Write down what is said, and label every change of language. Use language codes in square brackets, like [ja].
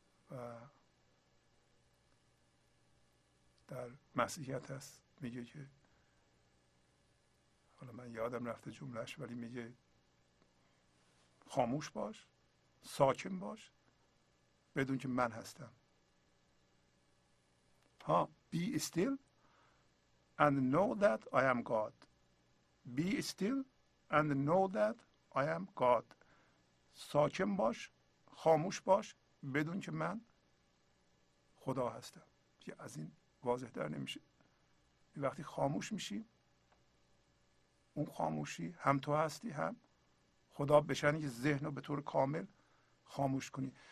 [fa] و در مسیحیت هست میگه که، حالا من یادم رفته جملهش، ولی میگه خاموش باش، ساکن باش، بدون که من هستم. [en] ها، be still and know that I am God. Be still and know that I am God. [fa] ساکن باش، خاموش باش، بدون که من خدا هستم. از این واضح تر نمیشه. وقتی خاموش میشی، اون خاموشی هم تو هستی هم خدا، بشنی که ذهن رو به طور کامل خاموش کنی.